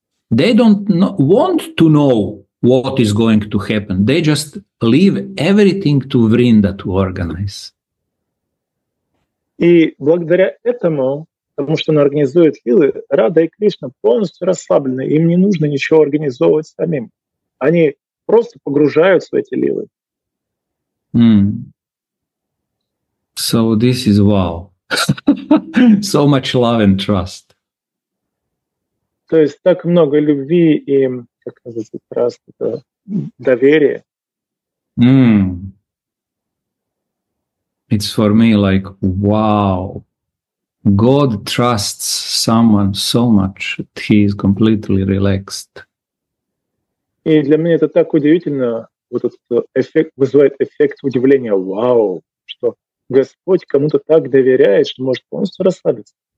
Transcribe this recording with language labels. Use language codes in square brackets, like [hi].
[en] They don't want to know what is going to happen. They just leave everything to Vrinda to organize. [ru] И благодаря этому, потому что она организует лилы, Радха и Кришна полностью расслаблены. Им не нужно ничего организовывать самим. Они просто погружаются в эти лилы. [en] Mm. So this is wow. So much love and trust. [ru] То есть так много любви и, как называется, trust, это доверие. [en] It's for me like, wow, God trusts someone so much that he is completely relaxed. [ru] И для меня это так удивительно, вот этот эффект вызывает эффект удивления, вау, что Господь кому-то так доверяет, что может полностью расслабиться.